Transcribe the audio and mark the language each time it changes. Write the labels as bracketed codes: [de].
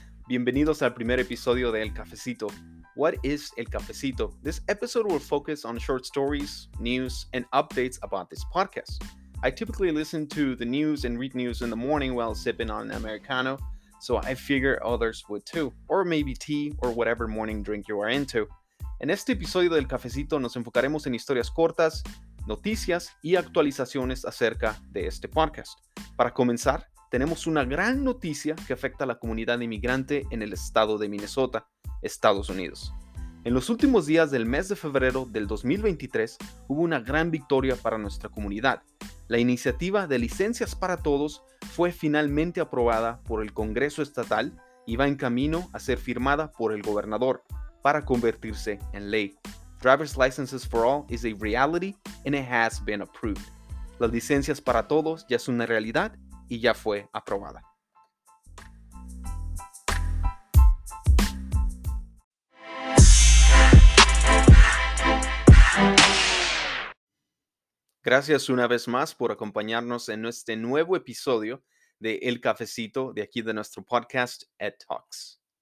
[es] Bienvenidos al primer episodio de El Cafecito. [en] What is El Cafecito? This episode will focus on short stories, news, and updates about this podcast. I typically listen to the news and read news in the morning while sipping on an Americano, so I figure others would too, or maybe tea or whatever morning drink you are into. [es] En este episodio del Cafecito nos enfocaremos en historias cortas, noticias y actualizaciones acerca de este podcast. Para comenzar, tenemos una gran noticia que afecta a la comunidad inmigrante en el estado de Minnesota, Estados Unidos. En los últimos días del mes de febrero del 2023, hubo una gran victoria para nuestra comunidad. La iniciativa de licencias para todos fue finalmente aprobada por el Congreso Estatal y va en camino a ser firmada por el gobernador para convertirse en ley. [en] Driver's Licenses for All is a reality and it has been approved. [es] Las licencias para todos ya es una realidad y ya fue aprobada. Gracias una vez más por acompañarnos en este nuevo episodio de El Cafecito de aquí de nuestro podcast Ed Talks.